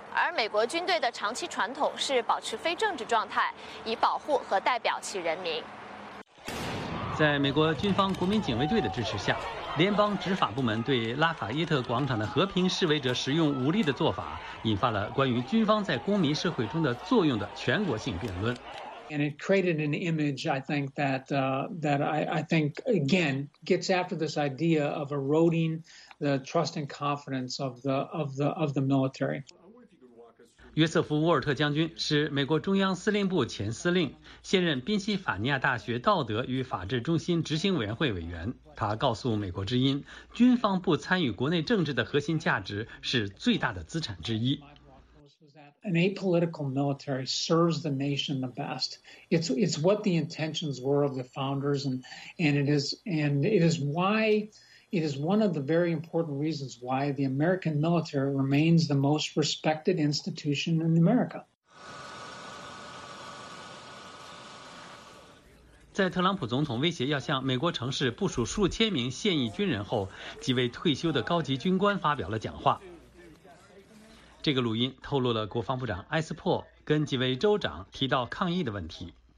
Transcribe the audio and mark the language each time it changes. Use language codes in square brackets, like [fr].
[zh] 而美国军队的长期传统是保持非政治状态，以保护和代表其人民。在美国军方国民警卫队的支持下，联邦执法部门对拉法耶特广场的和平示威者使用武力的做法，引发了关于军方在公民社会中的作用的全国性辩论。 [en] And it created an image, I think, that I think, again, gets after this idea of eroding the trust and confidence of the military. [zh] 约瑟夫·沃尔特将军是美国中央司令部前司令，现任宾夕法尼亚大学道德与法治中心执行委员会委员。他告诉美国之音，军方不参与国内政治的核心价值是最大的资产之一。 [en] An apolitical military serves the nation the best. It's what the intentions were of the founders, and it is one of the very important reasons why the American military remains the most respected institution in America. [zh] 在特朗普总统威胁要向美国城市部署数千名现役军人后，几位退休的高级军官发表了讲话。这个录音透露了国防部长埃斯珀跟几位州长提到抗议的问题。